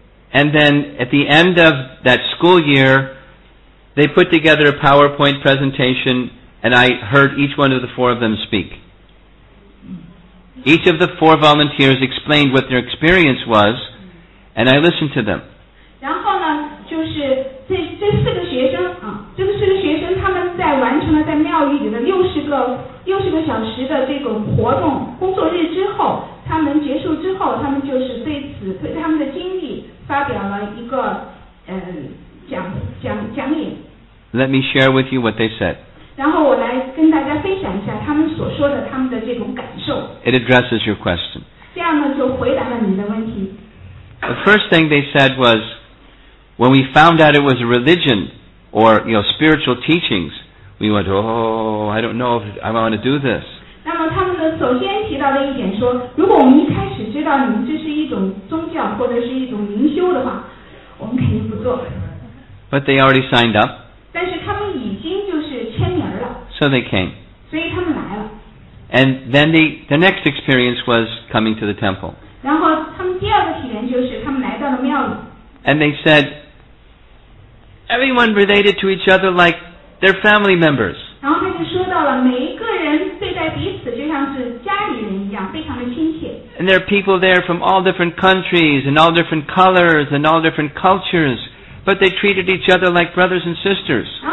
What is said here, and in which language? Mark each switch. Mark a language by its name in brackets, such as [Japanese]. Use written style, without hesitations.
[English] And then at the end of that school year, they put together a PowerPoint presentation, and I heard each one of the four of them speak. Each of the four volunteers explained what their experience was, and I listened to them. [Chinese] 然后呢，就是这四个学生，他们在完成了在庙宇里的六十个小时的这种活动工作日之后。他们结束之后，他们就是对他们的经历发表了一个讲演。 [English] Let me share with you what they said. [Chinese] 然后我来跟大家分享一下他们所说的他们的这种感受。 [English] It addresses your question. [Chinese] 这样呢就回答了你的问题。 [English] The first thing they said was, when we found out it was a religion or spiritual teachings, we went, oh, I don't know if I want to do this. [Chinese] 那么他们呢首先提到的一点说，如果我们一开始知道你们这是一种宗教或者是一种灵修的话，我们肯定不做。 [English] But they already signed up. [Chinese] 但是他们已经就是签名了。 [English] So they came. [Chinese] 所以他们来了。 [English] And then the next experience was coming to the temple. [Chinese] 然后他们第二个体验就是他们来到了庙里。 [English] And they said, everyone related to each other like their family members. [Chinese] 然后他就说到了每一个人。 [English] And there are people there from all different countries and all different colors and all different cultures, but they treated each other like brothers and sisters.